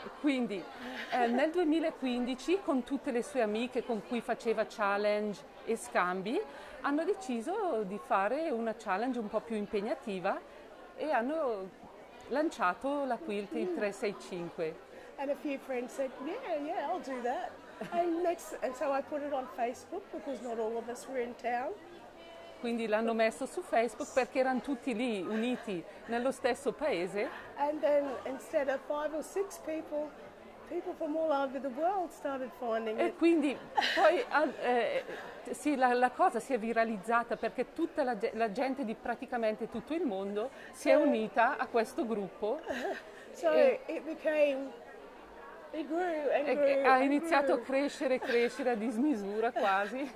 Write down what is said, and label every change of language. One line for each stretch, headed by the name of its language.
Italian: Quindi nel 2015 con tutte le sue amiche con cui faceva challenge e scambi hanno deciso di fare una challenge un po' più impegnativa e hanno lanciato la quilt il 365.
English: And a few friends said, yeah, I'll do that. And so I put it on Facebook because not all of us were in town.
Italian: Quindi l'hanno messo su Facebook perché erano tutti lì, uniti, nello stesso paese.
English: And then instead of five or six people, people from all over the world started finding it.
Italian: E quindi poi sì, la cosa si è viralizzata perché tutta la gente di praticamente tutto il mondo si è unita a questo gruppo.
English: So it became... It grew and grew.
Italian: Ha iniziato a crescere a dismisura quasi.